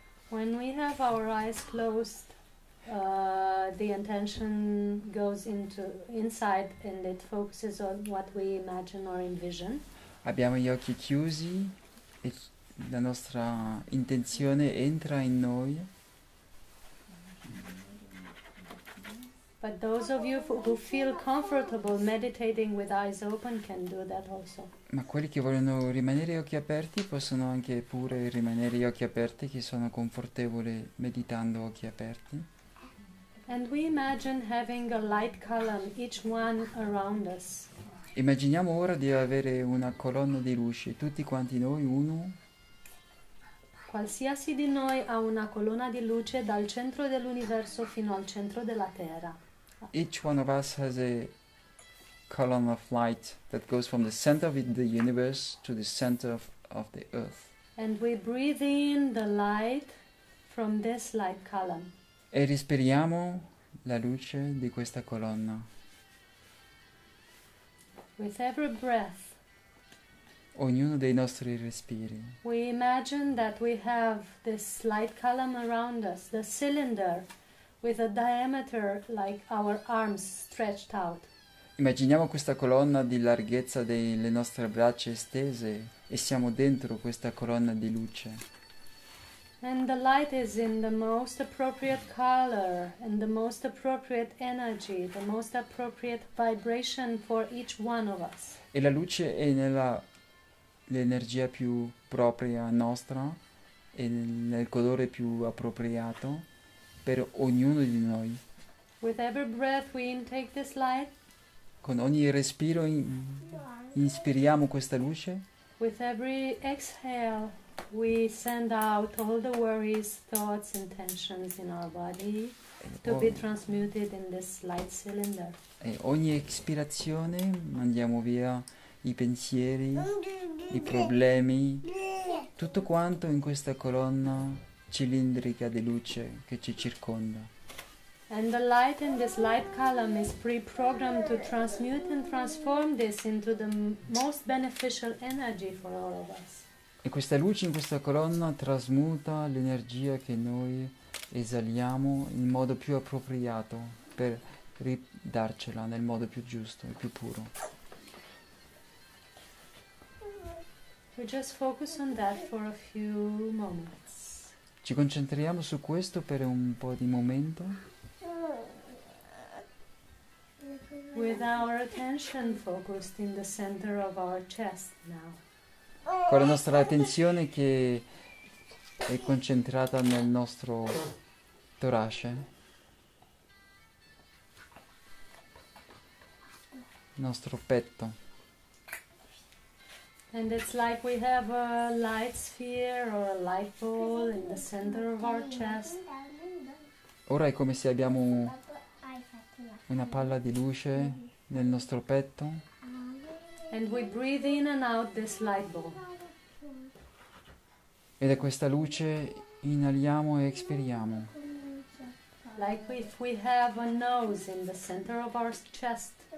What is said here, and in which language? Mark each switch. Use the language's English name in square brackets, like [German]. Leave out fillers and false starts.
[English] When we have our eyes closed, the intention goes into inside and it focuses on what we imagine or envision. [Italian] Abbiamo gli occhi chiusi e la nostra intenzione entra in noi. [English] But those of you who feel comfortable meditating with eyes open can do that also. [Italian] Ma quelli che vogliono rimanere occhi aperti possono anche pure rimanere occhi aperti, che sono confortevole meditando occhi aperti. [English] And we imagine having a light column, each one around us. [Italian] Immaginiamo ora di avere una colonna di luce, tutti quanti noi, uno. Qualsiasi di noi ha una colonna di luce dal centro dell'universo fino al centro della Terra. [English] Each one of us has a column of light that goes from the center of the universe to the center of the earth. And we breathe in the light from this light column. [Italian] E respiriamo la luce di questa colonna. [English] With every breath, [Italian] Ognuno dei nostri respiri. [English] we imagine that we have this light column around us, the cylinder with a diameter like our arms stretched out. [Italian] Immaginiamo questa colonna di larghezza delle nostre braccia estese e siamo dentro questa colonna di luce. [English] And the light is in the most appropriate color, and the most appropriate energy, the most appropriate vibration for each one of us. [Italian] E la luce è nella l'energia più propria nostra e nel colore più appropriato per ognuno di noi. [English] With every breath we intake this light. [Italian] Con ogni respiro inspiriamo questa luce. [English] With every exhale we send out all the worries, thoughts, intentions in our body to be transmuted in this light cylinder. [Italian] E ogni espirazione mandiamo via i pensieri, i problemi, tutto quanto in questa colonna cilindrica di luce che ci circonda. [English] And the light in this light column is pre-programmed to transmute and transform this into the most beneficial energy for all of us. [Italian] E questa luce in questa colonna trasmuta l'energia che noi esaliamo in modo più appropriato per ridarcela nel modo più giusto e più puro. [English] We just focus on that for a few moments. [Italian] Ci concentriamo su questo per un po' di momento. [English] With our attention focused in the center of our chest now. [Italian] Con la nostra attenzione che è concentrata nel nostro torace, nel nostro petto. [English] And it's like we have a light sphere or a light ball in the center of our chest. [Italian] Ora è come se abbiamo una palla di luce nel nostro petto. [English] And we breathe in and out this light ball. [Italian] E da questa luce inaliamo e espiriamo. [English] Like if we have a nose in the center of our chest.